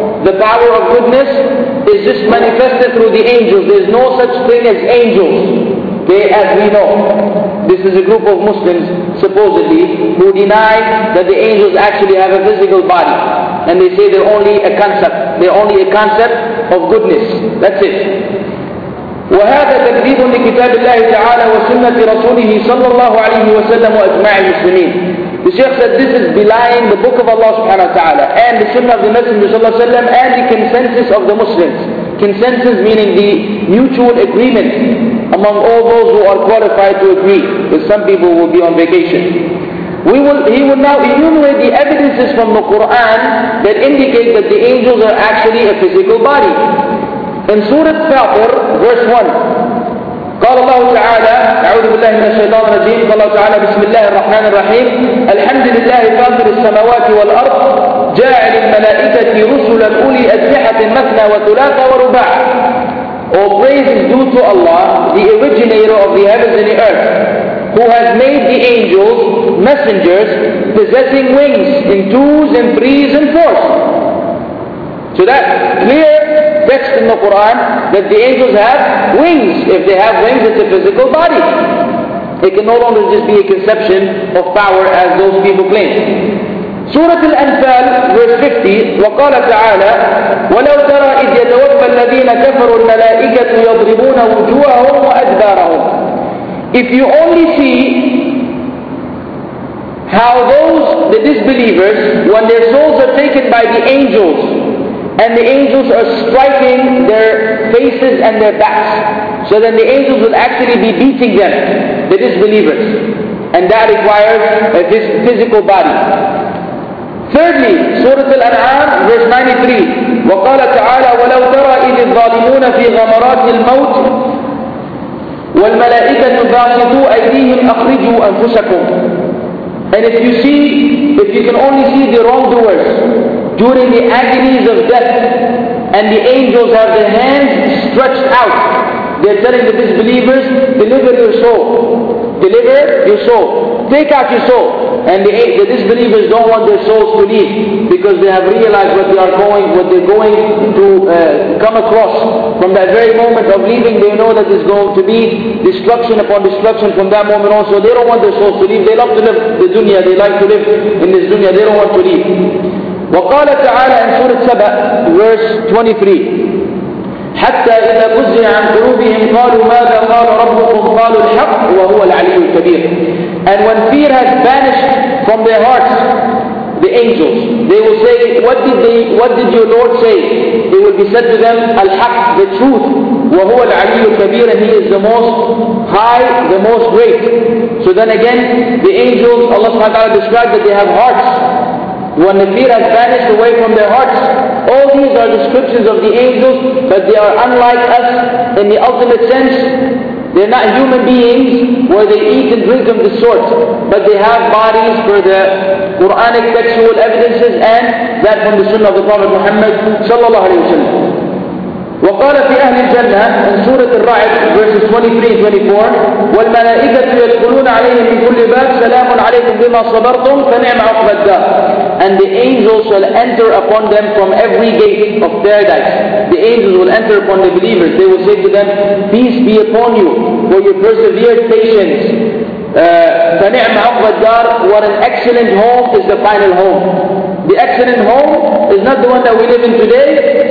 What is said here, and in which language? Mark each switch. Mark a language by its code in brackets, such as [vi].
[en] The power of goodness is just manifested through the angels. There's no such thing as angels. They, as we know, this is a group of Muslims, supposedly, who deny that the angels actually have a physical body. And they say they're only a concept. They're only a concept of goodness. That's it. [ar] وهذا تكذيب لكتاب الله تعالى وسنة رسوله صلى الله عليه وسلم وأجمع المسلمين. [en] The Shaykh said this is belying the book of Allah subhanahu wa ta'ala and the sunnah of the Messenger sallallahu alayhi wa sallam and the consensus of the Muslims. Consensus meaning the mutual agreement among all those who are qualified to agree, because some people will be on vacation. He will now enumerate the evidences from the Quran that indicate that the angels are actually a physical body. In Surah Fatir, verse 1, [ar] قال الله تعالى أعوذ بالله من الشيطان الرجيم قال الله تعالى بسم الله الرحمن الرحيم الحمد لله فاطر السماوات والأرض جاعل الملائكة رسلا أولي أجنحة مثنى وثلاث ورباع. [en] All praise is due to Allah, the originator of the heavens and the earth, who has made the angels messengers possessing wings in twos and threes and fours. So that clear text in the Quran that the angels have wings. If they have wings, it's a physical body. It can no longer just be a conception of power as those people claim. Surah Al-Anfal, verse 50, [ar] وَقَالَ تَعَالَى وَلَوْ تَرَى إِذْ يَتَوَفَّى الَّذِينَ كَفَرُوا الْمَلَائِكَةُ يَضْرِبُونَ وُجُوهَهُمْ وَأَدْبَارَهُمْ. [en] If you only see how those, the disbelievers, when their souls are taken by the angels, and the angels are striking their faces and their backs, so then the angels will actually be beating them, the disbelievers, and that requires a physical body. Thirdly, Surah Al-An'am, verse 93, [ar] وَقَالَ تَعَالَى وَلَوْ تَرَى إِذِ الظَّالِمُونَ فِي غَمَرَاتِ الْمَوْتِ وَالْمَلَائِكَةُ بَاسِطُوا أَيْدِيهِمْ أَخْرِجُوا أَنفُسَكُمْ. [en] And if you see, if you can only see the wrongdoers during the agonies of death, and the angels have their hands stretched out, they're telling the disbelievers, deliver your soul. Deliver your soul. Take out your soul. And the disbelievers don't want their souls to leave, because they have realized what they're going to come across. From that very moment of leaving, they know that there's going to be destruction upon destruction from that moment on. So they don't want their souls to leave. They love to live the dunya. They like to live in this dunya. They don't want to leave. [ar] وقال تعالى [en] in Surah Saba, verse 23, [ar] حتى إذا فزع عن قلوبهم قالوا ماذا قال ربكم قالوا الحق وهو العلي الكبير. [en] And when fear has banished from their hearts, the angels, they will say, what did your Lord say? They will be said to them, [ar] الحق, [en] the truth, [ar] وهو العلي الكبير, [en] and he is the most high, the most great. So then again, the angels, Allah subhanahu wa ta'ala described that they have hearts. When the fear has vanished away from their hearts, all these are descriptions of the angels, but they are unlike us in the ultimate sense. They're not human beings where they eat and drink of the sort, but they have bodies for the Quranic textual evidences and that from the Sunnah of the Prophet Muhammad sallallahu alayhi wa sallam. [ar] وقال في أهل الجنة [en] in Surah Al-Ra'd, verses 23-24, [ar] والملائكة يدخلون عليهم من كل باب سلام عليكم بما صبرتم فنعم عقب الدار. [en] And the angels shall enter upon them from every gate of paradise. The angels will enter upon the believers. They will say to them, peace be upon you for your persevered patience. [ar] فنعم عقب الدار. [en] What an excellent home is the final home. The excellent home is not the one that we live in today.